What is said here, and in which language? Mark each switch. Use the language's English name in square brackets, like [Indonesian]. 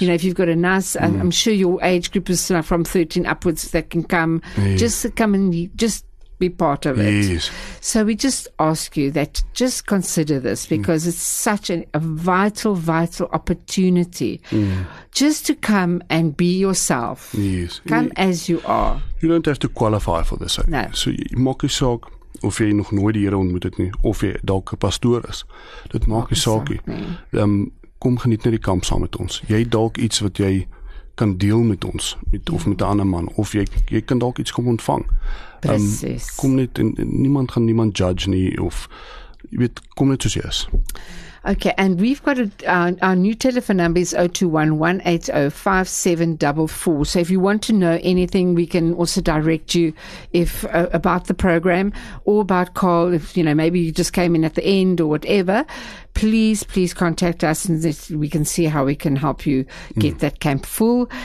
[English] You know, if you've got a nice, I'm sure your age group is from 13 upwards that can come. Yes. Just come and just be part of it. So we just ask you that just consider this because it's such a vital opportunity just to come and be yourself. Yes. Come as you are. You don't have to qualify for this. No. So you [Afrikaans] maak nie saak of jy nog nooit die Here ontmoet het nie of jy dalk 'n pastoor is. Dit maak nie saak nie. Kom geniet net die kamp saam met ons. Jy dalk iets wat jy kan deel met ons, of met 'n ander man, of jy kan dalk iets kom ontvang. Precies. Kom net, en niemand gaan niemand judge nie, of jy weet, kom net soos jy is. [English] Okay, and we've got our new telephone number is 021-180-5744. So if you want to know anything, we can also direct you about the program or about Carl, if, you know, maybe you just came in at the end or whatever. Please contact us and we can see how we can help you get that camp full.